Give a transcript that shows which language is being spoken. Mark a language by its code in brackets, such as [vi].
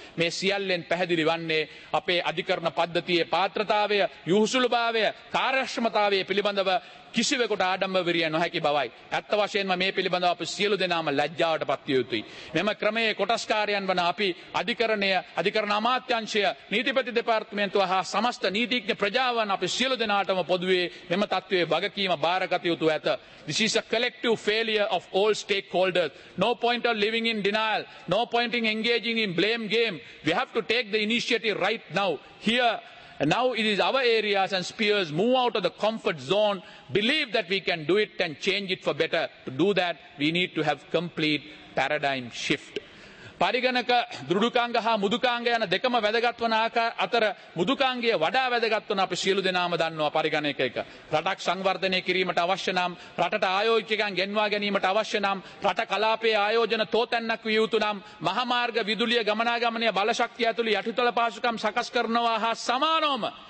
[si] මේ සියල්ලෙන් පැහැදිලි වන්නේ අපේ අධිකරණ පද්ධතියේ පාත්‍රතාවය, යුහුසුළු භාවය, කාර්යක්ෂමතාවය පිළිබඳව කිසිවෙකුට ආඩම්බර විරිය නොහැකි බවයි. ඇත්ත වශයෙන්ම මේ පිළිබඳව අපි සියලු දෙනාම ලැජ්ජාවට පත් විය යුතුයි. මෙම ක්‍රමයේ කොටස්කාරයන් වන අපි අධිකරණය, අධිකරණ අමාත්‍යාංශය, නීතිපති දෙපාර්තමේන්තුව හා සමස්ත නීතිඥ ප්‍රජාවන් අපි සියලු දෙනාටම පොදුවේ මෙම තත්ත්වයේ වගකීම බාරගත යුතුව ඇත. [en] This is a collective failure of all stakeholders. No point of living in denial. No point in engaging in blame game. We have to take the initiative right now. Here and now it is our areas and spheres. Move out of the comfort zone. Believe that we can do it and change it for better. To do that, we need to have complete paradigm shift. [si] පරිගණක දෘඩුකාංග හා මුදුකාංග යන දෙකම වැදගත් වන අතර මුදුකාංගය වඩා වැදගත් වන අපි සියලු දෙනාම දන්නවා. පරිගණක එක රටක් සංවර්ධනය කිරීමට අවශ්‍ය නම්, රටට ආයෝජ්‍යකම් ගෙන්වා ගැනීමට අවශ්‍ය නම්, රට කලාපයේ ආයෝජන තෝතැන්නක් විය යුතු නම්, මහමාර්ග, විදුලිය, ගමනාගමනය, බලශක්තිය ඇතුළු යටිතල පහසුකම් සකස් කරනවා හා සමානවම